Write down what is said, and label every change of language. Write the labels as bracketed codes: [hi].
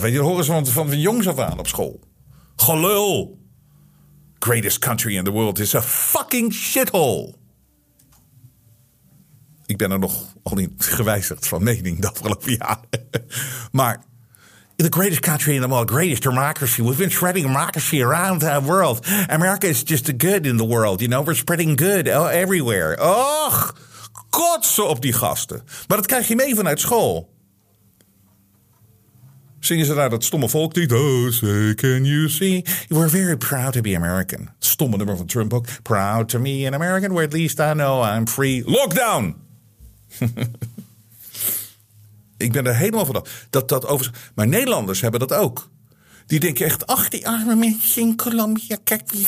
[nl] Weet je, dat horen ze van jongs af aan op school. Gelul. [en] Greatest country in the world is a fucking shithole. [nl] Ik ben er nog al niet gewijzigd van mening de afgelopen jaren. [en] Maar the greatest country in the world, greatest democracy. We've been spreading democracy around the world. America is just a good in the world. You know, we're spreading good everywhere. [nl] Och, kotsen op die gasten. Maar dat krijg je mee vanuit school. Zingen ze daar dat stomme volk die, [en] say, can you see? We're very proud to be American. [nl] Het stomme nummer van Trump ook. [en] Proud to be an American, where at least I know I'm free. Lockdown! [nl] Ik ben er helemaal van af. Dat over. Maar Nederlanders hebben dat ook. Die denken echt, ach, die arme mensen in Colombia. Kijk.